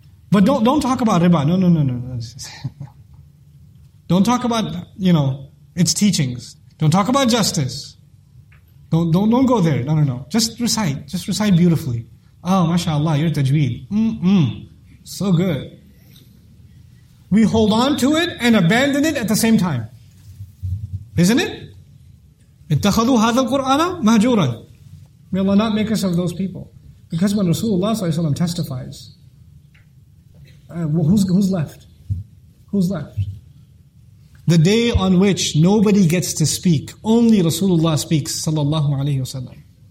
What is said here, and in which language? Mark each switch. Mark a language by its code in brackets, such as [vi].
[en] But don't talk about riba, no. Don't talk about, its teachings. Don't talk about justice. Don't go there. No. Just recite beautifully. Oh, mashallah, your tajweed. So good. We hold on to it and abandon it at the same time. Isn't it? [ar] اتخذوا هذا القرآن مهجورا. [en] May Allah not make us of those people. Because when Rasulullah ﷺ testifies, who's left? Who's left? The day on which nobody gets to speak, only Rasulullah speaks, sallallahu alayhi wa sallam.